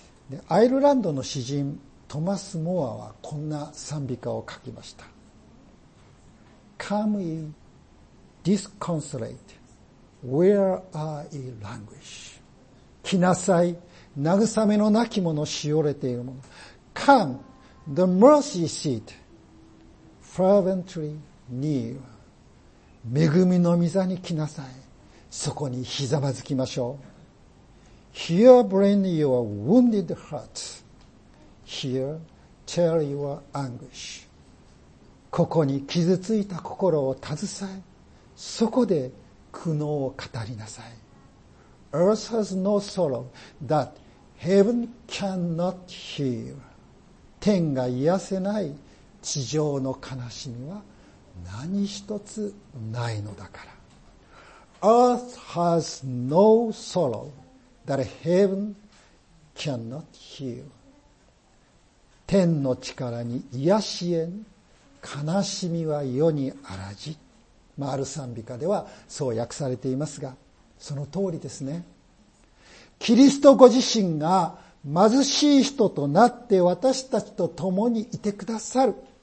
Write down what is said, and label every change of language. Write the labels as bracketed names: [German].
[Japanese] で、アイルランドの詩人トマス・モアはこんな賛美歌を書きました。 [English] Come ye disconsolate, where are ye languish? [Japanese] 来なさい、慰めのなき者、しおれている者。 [English] Come, the mercy seat, fervently near. [Japanese] 恵みの御座に来なさい、そこにひざまずきましょう。 [English] Here bring your wounded heart. Here tell your anguish. [Japanese] ここに傷ついた心を携え、そこで苦悩を語りなさい。 [English] Earth has no sorrow that heaven cannot heal. [Japanese] 天が癒せない地上の悲しみは何一つないのだから。 [English] Earth has no sorrow that heaven cannot heal. [Japanese] 天の力に癒しえぬ悲しみは世にあらじ。まあ、ある賛美歌ではそう訳されていますが、その通りですね。キリストご自身が貧しい人となって私たちと共にいてくださる。